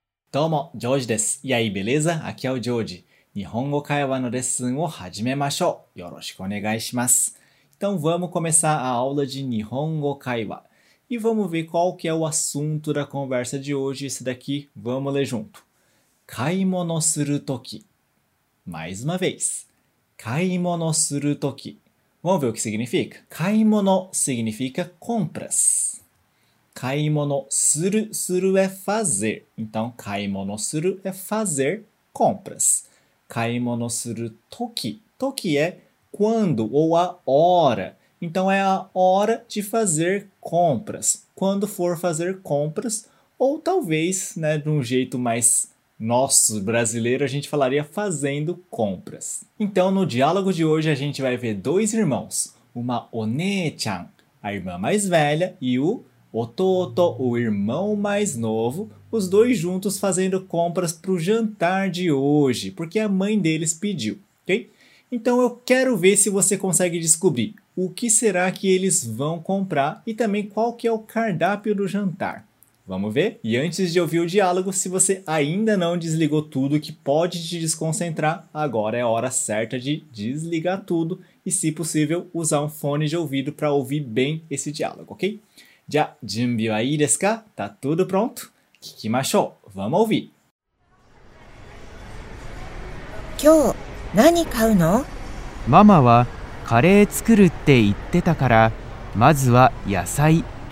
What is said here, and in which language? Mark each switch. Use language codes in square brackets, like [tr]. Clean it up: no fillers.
[ja] どうも、ジョージです。いやい、ベレーザ、アキアオジョージ。日本語会話のレッスンを始めましょう。よろしくお願いします。 [pt] Então vamos começar a aula de 日本語会話 e vamos ver qual que é o assunto da conversa de hoje. Esse daqui, vamos ler junto. [ja] 買い物するとき [pt] Mais uma vez. [ja] 買い物するとき [pt] Vamos ver o que significa? 買い物 significa compras. [ja] 買い物する、する [pt] é fazer. Então, [ja] 買い物する [pt] é fazer compras. [ja] 買い物するとき、とき [pt] é quando ou a hora. Então, é a hora de fazer compras. Quando for fazer compras, ou talvez, né, de um jeito mais nosso, brasileiro, a gente falaria fazendo compras. Então, no diálogo de hoje, a gente vai ver dois irmãos. Uma onee-chan, a irmã mais velha, e o... Ototo, o irmão mais novo, os dois juntos fazendo compras para o jantar de hoje, porque a mãe deles pediu, ok? Então eu quero ver se você consegue descobrir o que será que eles vão comprar e também qual que é o cardápio do jantar. Vamos ver? E antes de ouvir o diálogo, se você ainda não desligou tudo que pode te desconcentrar, agora é a hora certa de desligar tudo e, se possível, usar um fone de ouvido para ouvir bem esse diálogo, ok? [ja] じゃあ、準備はいいですか? [pt] Tá tudo pronto? [ja] 聞きましょう。 [pt] Vamos ouvir! [ja] 今日、何買うの? ママはカレー作るって言ってたから、まずは野菜。